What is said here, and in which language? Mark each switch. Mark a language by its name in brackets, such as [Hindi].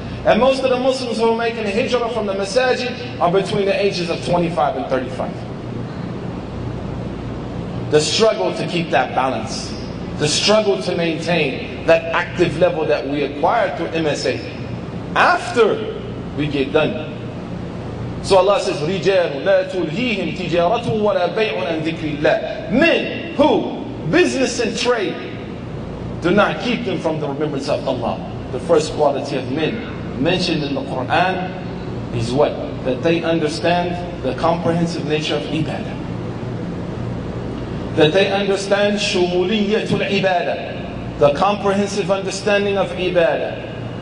[English] And most of the Muslims who are making hijrah from the masajid are between the ages of 25 and 35. The struggle to keep that balance, the struggle to maintain that active level that we acquire through MSA after we get done. So Allah says, [Arabic] رجال لا تلهيهم تجارة ولا بيع عن ذكر الله. [English] Men who business and trade do not keep them from the remembrance of Allah. The first quality of men mentioned in the Quran is what? That they understand the comprehensive nature of ibadah. That they understand shumuliyatul ibadah, the comprehensive understanding of ibadah.